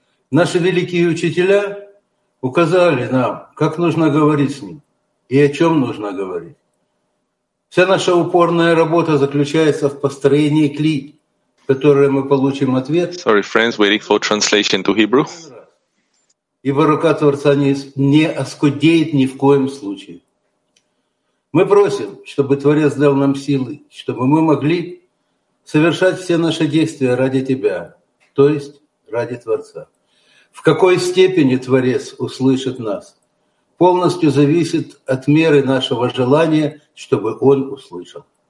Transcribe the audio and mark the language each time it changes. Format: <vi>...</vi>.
<ru>Наши великие учителя указали нам, как нужно говорить с Ним и о чем нужно говорить. Вся наша упорная работа заключается в построении кли, в которой мы получим ответ.</ru> <en>Sorry, friends, waiting for translation to Hebrew.</en> <ru>Ибо рука Творца не оскудеет ни в коем случае. Мы просим, чтобы Творец дал нам силы, чтобы мы могли совершать все наши действия ради Тебя, то есть ради Творца. В какой степени Творец услышит нас, полностью зависит от меры нашего желания, чтобы Он услышал.</ru>